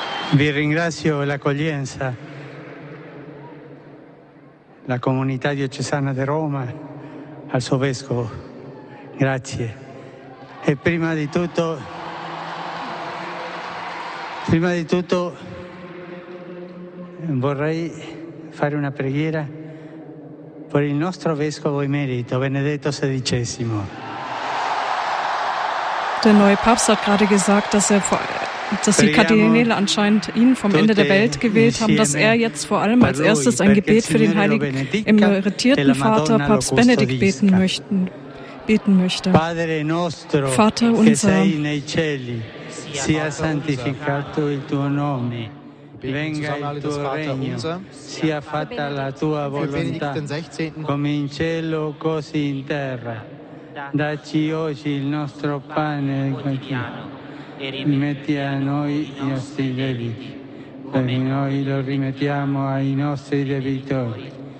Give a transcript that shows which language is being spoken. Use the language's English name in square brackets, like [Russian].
[Italian] Vi ringrazio l'accoglienza, la comunità diocesana di Roma, al suo vescovo, grazie. E prima di tutto vorrei fare una preghiera per il nostro vescovo emerito, Benedetto XVI. [German] Der neue Papst hat gerade gesagt, dass die Kardinäle anscheinend ihn vom Ende der Welt gewählt haben, dass er jetzt vor allem als erstes ein Gebet für den heiligen emeritierten Vater Papst Benedikt beten möchte. Vater unser, [Italian] che sei nei cieli, sia santificato il tuo nome. Venga il tuo regno, sia fatta la tua volontà, come in cielo così in terra. Dacci oggi il nostro pane quotidiano, rimetti a noi i nostri debiti, come noi lo rimettiamo ai nostri debitori,